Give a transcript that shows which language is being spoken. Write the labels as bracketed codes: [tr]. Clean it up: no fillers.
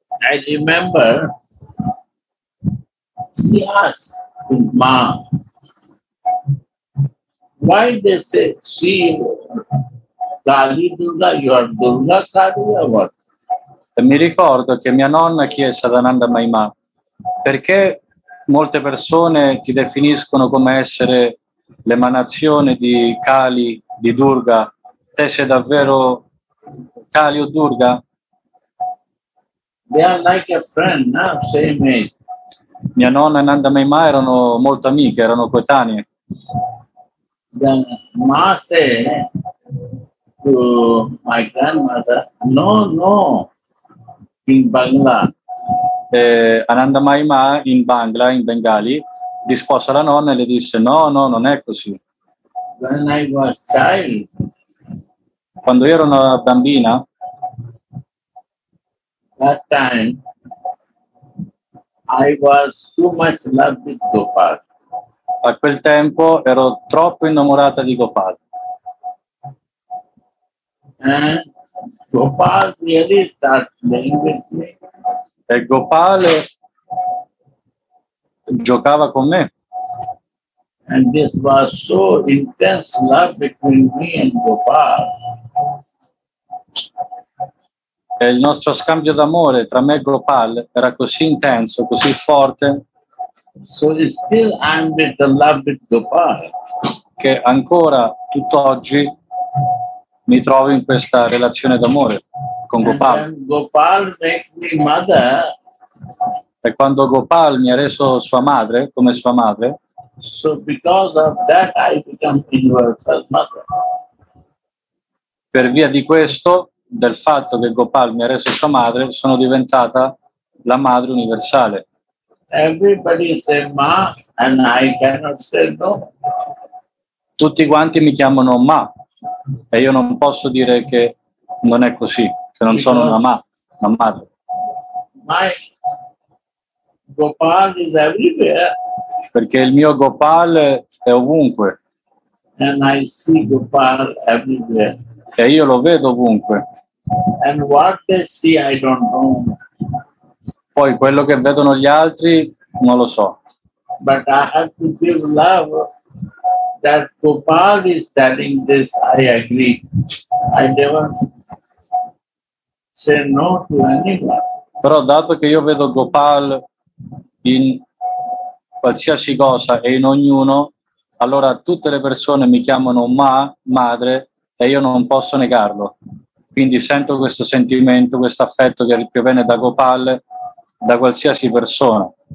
[en] I remember she asked Ma, why they say she Kali Durga, you are Durga Kali or what? [it] E mi ricordo che mia nonna chiese ad Anandamayi, perché molte persone ti definiscono come essere l'emanazione di Kali, di Durga, te sei davvero Kali o Durga? [en] They are like a friend now, same age. [it] Mia nonna e Nanda Maima erano molto amiche, erano coetanee. [en] Then Ma say to my grandmother, no, no, in Bangla. [it] Ananda Maima in Bangla, in Bengali, rispose alla nonna e le disse, no, no, non è così. [en] When I was child, [it] quando ero una bambina, [en] that time, I was too much loved with Gopal. [it] A quel tempo ero troppo innamorata di Gopal. [en] And Gopal really started playing with me. [it] E Gopal giocava con me. [en] And this was so intense love between me and Gopal. [it] E il nostro scambio d'amore tra me e Gopal era così intenso, così forte. [en] So still I'm with the love with Gopal. [it] Che ancora tutt'oggi mi trovo in questa relazione d'amore con Gopal. [en] And Gopal make me mother. [it] E quando Gopal mi ha reso sua madre, come sua madre. [en] So because of that I become universal mother. [it] Per via di questo, del fatto che Gopal mi ha reso sua madre, sono diventata la madre universale. [en] Everybody say ma and I cannot say no. [it] Tutti quanti mi chiamano ma e io non posso dire che non è così, che non sono una ma, una madre. [en] My Gopal is everywhere. [it] Perché il mio Gopal è ovunque. [en] And I see Gopal everywhere. [it] E io lo vedo ovunque. [en] And what they see, I don't know. [it] Poi quello che vedono gli altri non lo so. [en] But I have to give love that Gopal is telling this, I agree. I never say no to anyone. [it] Però dato che io vedo Gopal in qualsiasi cosa e in ognuno, allora tutte le persone mi chiamano ma, madre, e io non posso negarlo. Quindi sento questo sentimento, questo affetto che viene da Gopal, da qualsiasi persona.